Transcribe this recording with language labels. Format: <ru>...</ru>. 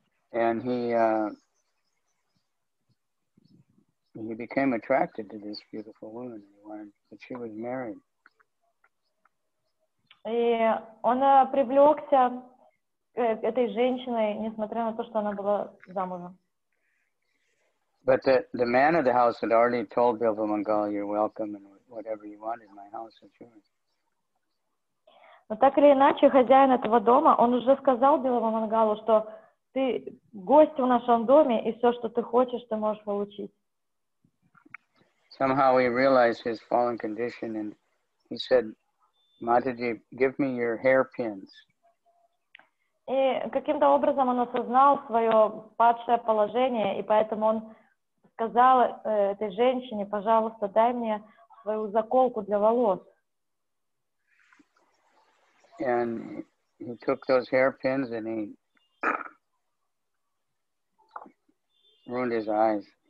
<en>And he became attracted to this beautiful woman, and he wanted, but she was married.</en> <ru>И он привлекся к этой женщине, несмотря на то, что она была замужем.</ru> <en>But the man of the house had already told Bilba Mangal, "You're welcome, and whatever you want in my house is yours."</en> <ru>Но так или иначе, хозяин этого дома, он уже сказал Билла Мангалу, что ты гость в нашем доме, и все, что ты хочешь, ты можешь получить.</ru> <en>Somehow he realized his fallen condition, and he said, "Mataji, give me your hairpins."</en> <ru>И каким-то образом он осознал свое падшее положение, и поэтому он сказал этой женщине, пожалуйста, дай мне свою заколку для волос.</ru> <en>And he took those hairpins, and he ruined his eyes.</en>